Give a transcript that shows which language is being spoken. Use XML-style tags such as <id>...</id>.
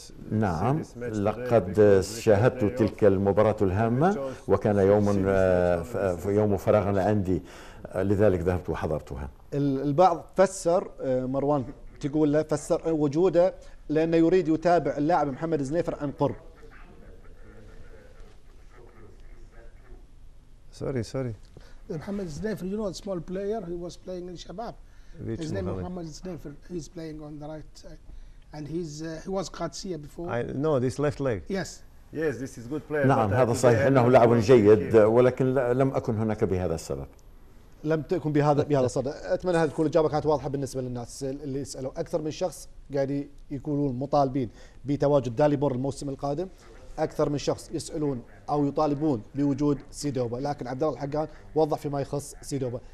<ar>نعم لقد شاهدت تلك المباراة الهامة وكان يوم فراغ عندي لذلك ذهبت وحضرتها. البعض فسر مروان تقول له فسر وجوده لأنه يريد يتابع اللاعب محمد زنيفر عن قرب.</ar> <en>Sorry. Mohamed Znaifer, you know, a small player who was playing in Shabab. Which His name is Mohamed Znaifer. He's playing on the right side. And he was Qadsiya before. I know this left leg. Yes. Yes, this is good player.</en> <ar>نعم هذا صحيح أنه لاعب جيد ولكن لم أكن هناك بهذا السبب. لم تكن بهذا الصدد. أتمنى هذه تكون الإجابة كانت واضحة بالنسبة للناس اللي يسألوا. أكثر من شخص قاعد يقولون مطالبين بتواجد داليبور الموسم القادم. أكثر من شخص يسألون أو يطالبون بوجود سيدوبا، لكن عبد الله الحقان وضح فيما يخص سيدوبا.</ar>